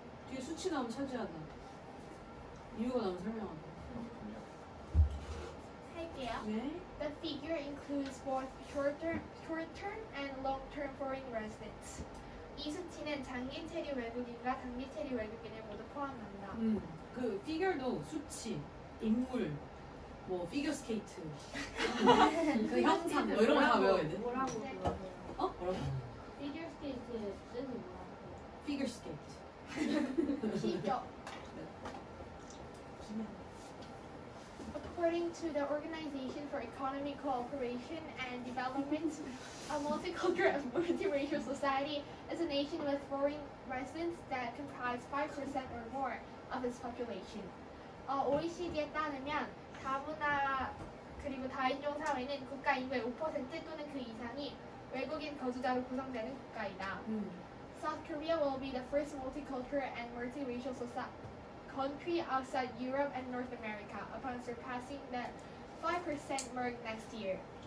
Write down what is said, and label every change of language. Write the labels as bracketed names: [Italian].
[Korean] 뒤에 수치 나오면 차지하다. 이유가 나오면 설명하다. 할게요. 네? [English] The figure includes both short-term and long-term foreign residents. [Korean] 이 수치는 장기 체류 외국인과 단기 체류 외국인을 모두 포함한다. 그 figure도 수치, 인물, 뭐 figure skate, 그 형상 뭐 이런 거 다 외워야 돼. 뭐라고? 뭐라고? 어? 뭐라고? [English] Figure skate [Korean] 뭐라고? Figure skate. 기적. [English] According to the Organization for Economic Cooperation and Development, a multicultural and multiracial society is a nation with foreign residents that comprise 5% or more of its population. [Korean] OECD에 따르면 다문화 그리고 다인종 사회는 국가 인구의 5% 또는 그 이상이 외국인 거주자로 구성되는 국가이다. [English] South Korea will be the first multicultural and multiracial society country outside Europe and North America upon surpassing the 5% mark next year.